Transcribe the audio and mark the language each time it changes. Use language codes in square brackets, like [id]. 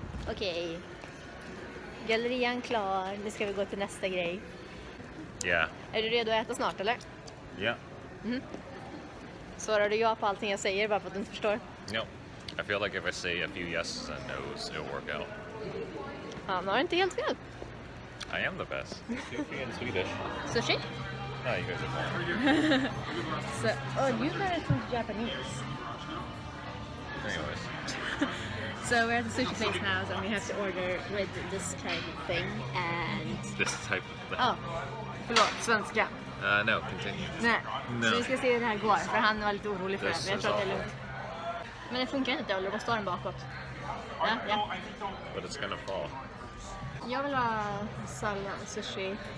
[sv] Okej. Gallerian klar. Nu ska vi gå till nästa grej. Ja. Är du redo att äta snart, eller? Ja. Svarar du ja på allting jag säger, bara för att du inte förstår? [en] No. I feel like if I say a few yeses and noes, it'll work out. [sv] Han har inte helt fel. [en] I am the best. Sushi and Swedish. Sushi? Ah, you guys are fine. So, oh, you got it from Japanese. Anyways. So we're at the sushi place now, so we have to order with this type of thing, and... This type of thing? [sv] Oh, förlåt, svenska. [en] No, continue. [sv] Nej, så vi ska se hur det här går, för han var lite orolig för det, men jag tror att det är lugnt. Men det funkar inte, eller bara står den bakåt. Ja, ja. [en] But it's gonna fall. [sv] Jag vill ha [en] salmon sushi.